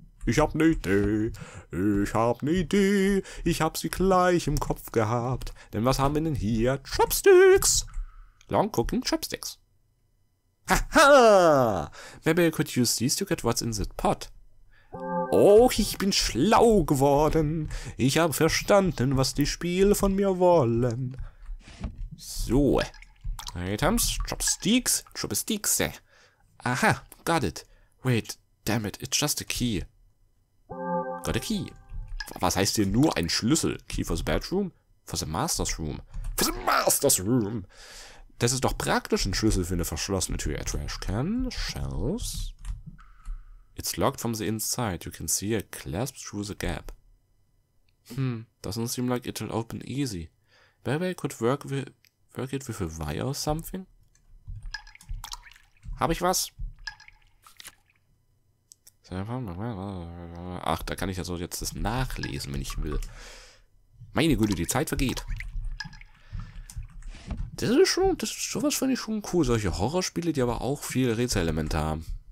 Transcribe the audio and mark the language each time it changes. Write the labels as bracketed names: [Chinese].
[German] Ich hab ne Idee. Ich hab ne Idee. Ich hab sie gleich im Kopf gehabt. Denn was haben wir denn hier? Chopsticks! [English] Long cooking Chopsticks. Haha! Maybe I could use these to get what's in the pot. [German] Oh, ich bin schlau geworden. Ich hab verstanden, was die Spiele von mir wollen. So. Items, Chopsticks, Chopsticks. [English] Aha, got it. Wait, damn it, it's just a key. Got a key. [German] Was heißt hier nur ein Schlüssel? [English] Key for the bedroom? For the master's room. For the master's room! [German] Das ist doch praktisch ein Schlüssel für eine verschlossene Tür. [English] A trashcan, shells. It's locked from the inside. You can see a clasp through the gap. Doesn't seem like it'll open easy. Maybe I could work it with a wire or something? [German] Hab ich was? Ach, da kann ich ja so jetzt das nachlesen, wenn ich will. Meine Güte, die Zeit vergeht. Das ist schon, das ist, sowas finde ich schon cool. Solche Horrorspiele, die aber auch viele Rätselelemente haben.